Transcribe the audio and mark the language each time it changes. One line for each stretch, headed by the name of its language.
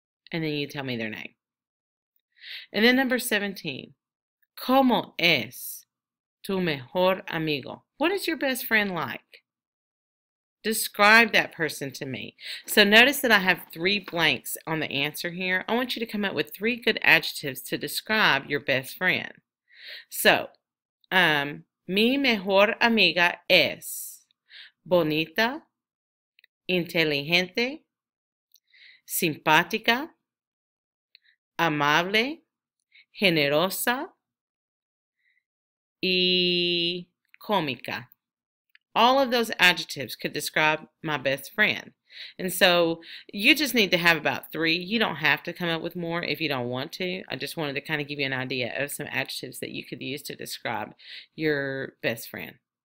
English: And then you tell me their name. And then number 17,
Spanish: ¿cómo es tu mejor amigo?
English: What is your best friend like? Describe that person to me. So notice that I have three blanks on the answer here. I want you to come up with three good adjectives to describe your best friend.
Spanish: So, mi mejor amiga es bonita, inteligente, simpática, amable, generosa y cómica.
English: All of those adjectives could describe my best friend. And so you just need to have about three. You don't have to come up with more if you don't want to. I just wanted to kind of give you an idea of some adjectives that you could use to describe your best friend.